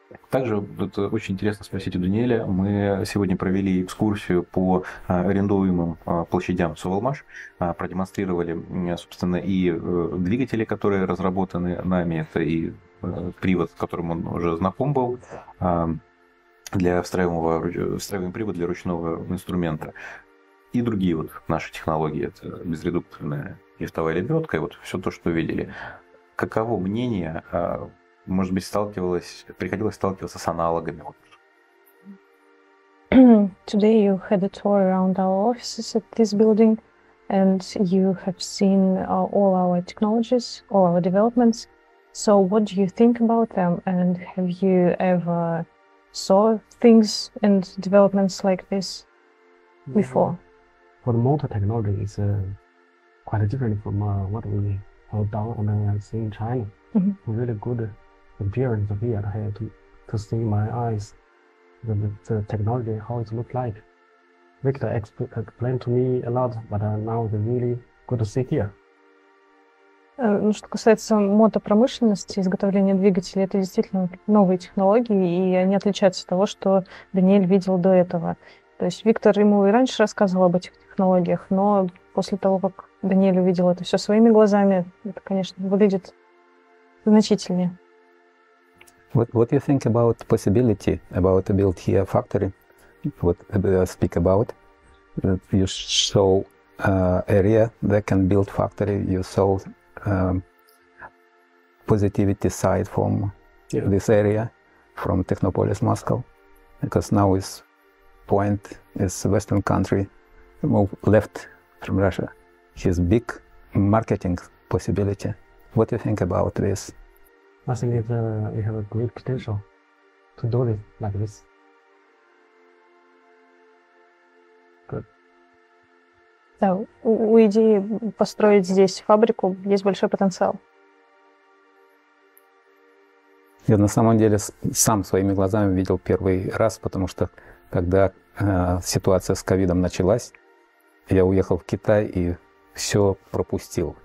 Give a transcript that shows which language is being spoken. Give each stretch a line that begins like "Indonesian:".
Russian: Также вот, очень интересно спросить у Даниэля. Мы сегодня провели экскурсию по арендуемым площадям Совалмаш, продемонстрировали, собственно, и двигатели, которые разработаны нами, это и привод, с которым он уже знаком был, для встраиваемый привод для ручного инструмента, и другие вот наши технологии, это безредукторная лифтовая лебедка, и вот все то, что видели. Каково мнение? Может быть, приходилось сталкиваться с аналогами?
English: Today you had a tour around our offices at this building, and you have seen all our technologies, all our developments. So what do you think about them? And have you ever saw things and developments like this before? For the motor technology is quite different from what we have done and seen in China. Mm-hmm. Really good. Appearance of here, I had to see my eyes, the technology, how it looked like. Victor explained to me a lot, but now they really good to see here.
Russian: Ну, что касается мотопромышленности, изготовления двигателей, это действительно новые технологии, и они отличаются от того, что Даниэль видел до этого. То есть Виктор ему и раньше рассказывал об этих технологиях, но после того, как Даниэль увидел это все своими глазами, это, конечно, выглядит значительнее.
English: What you think about possibility about build here factory? What speak about? You saw area that can build factory. You saw positivity side from this area, from Technopolis Moscow, because now is point is Western country move left from Russia. His big marketing possibility. What do you think about this? I think it have a great potential to do it like this. Good.
Russian: Да, у идеи построить здесь фабрику есть большой потенциал. Я на самом деле сам своими глазами видел первый раз, потому что когда ситуация с ковидом началась, я уехал в Китай и все пропустил.